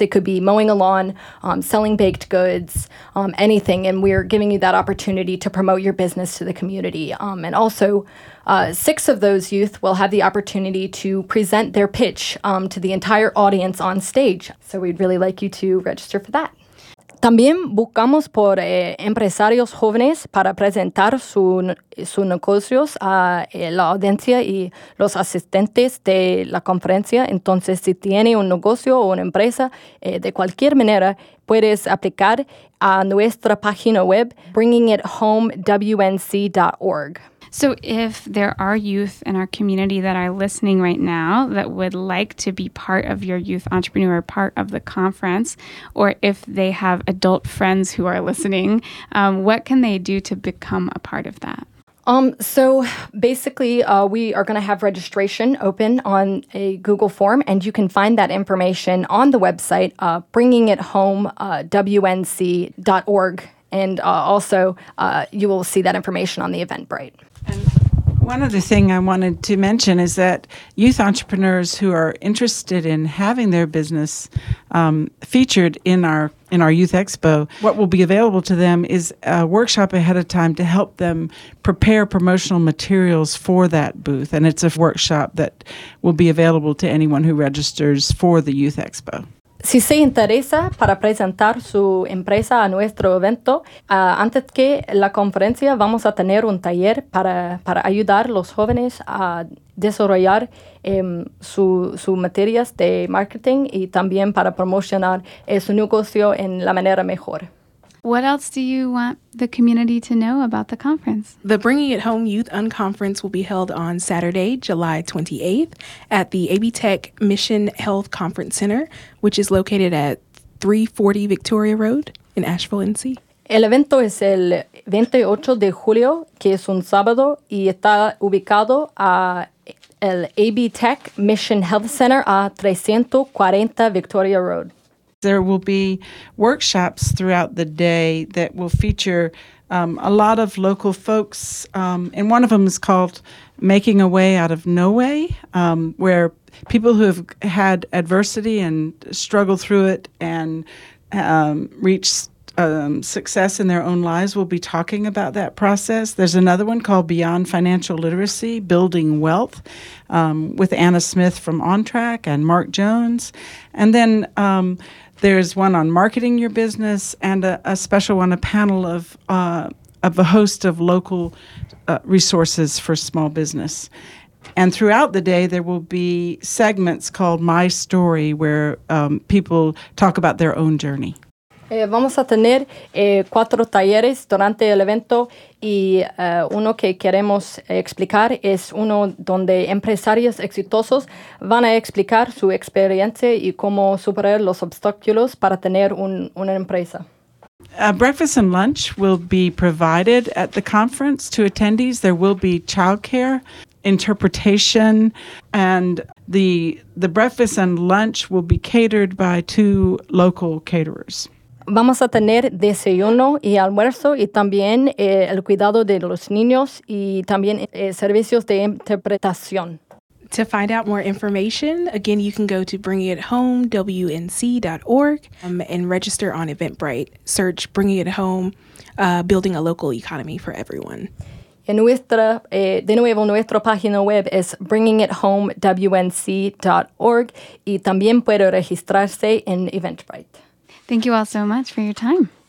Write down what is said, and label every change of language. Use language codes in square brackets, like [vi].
[en] It could be mowing a lawn, selling baked goods, anything. And we're giving you that opportunity to promote your business to the community. And also, six of those youth will have the opportunity to present their pitch to the entire audience on stage. So we'd really like you to register for that. [es] También buscamos por empresarios jóvenes para presentar sus negocios a la audiencia y los asistentes de la conferencia. Entonces, si tiene un negocio o una empresa, de cualquier manera, puedes aplicar a nuestra página web, bringingithomewnc.org. [en] So if there are youth in our community that are listening right now that would like to be part of your youth entrepreneur, part of the conference, or if they have adult friends who are listening, what can they do to become a part of that? So basically, we are going to have registration open on a Google form, and you can find that information on the website, bringingithomewnc.org, and also you will see that information on the Eventbrite. One other thing I wanted to mention is that youth entrepreneurs who are interested in having their business featured in our Youth Expo, what will be available to them is a workshop ahead of time to help them prepare promotional materials for that booth. And it's a workshop that will be available to anyone who registers for the Youth Expo. [es] Si se interesa para presentar su empresa a nuestro evento, antes que la conferencia vamos a tener un taller para ayudar a los jóvenes a desarrollar sus materias de marketing y también para promocionar su negocio en la manera mejor. [en] What else do you want the community to know about the conference? The Bringing It Home Youth Unconference will be held on Saturday, July 28th at the AB Tech Mission Health Conference Center, which is located at 340 Victoria Road in Asheville, NC. [es] El evento es el 28 de julio, que es un sábado, y está ubicado a el AB Tech Mission Health Center a 340 Victoria Road. [en] There will be workshops throughout the day that will feature a lot of local folks, and one of them is called Making a Way Out of No Way, where people who have had adversity and struggled through it and reached success in their own lives will be talking about that process. There's another one called Beyond Financial Literacy, Building Wealth, with Anna Smith from OnTrack and Mark Jones. And then there's one on marketing your business and a special one, a panel of a host of local resources for small business. And throughout the day, there will be segments called My Story, where people talk about their own journey. [es] Vamos a tener cuatro talleres durante el evento y uno que queremos explicar es uno donde empresarios exitosos van a explicar su experiencia y cómo superar los obstáculos para tener una empresa. [en] Breakfast and lunch will be provided at the conference to attendees. There will be childcare, interpretation, and the breakfast and lunch will be catered by two local caterers. [es] Vamos a tener desayuno y almuerzo y también el cuidado de los niños y también servicios de interpretación. [en] To find out more information, again, you can go to bringingithomewnc.org and register on Eventbrite. Search Bringing It Home, Building a Local Economy for Everyone. [es] Nuestra página web es bringingithomewnc.org y también puede registrarse en Eventbrite. [en] Thank you all so much for your time.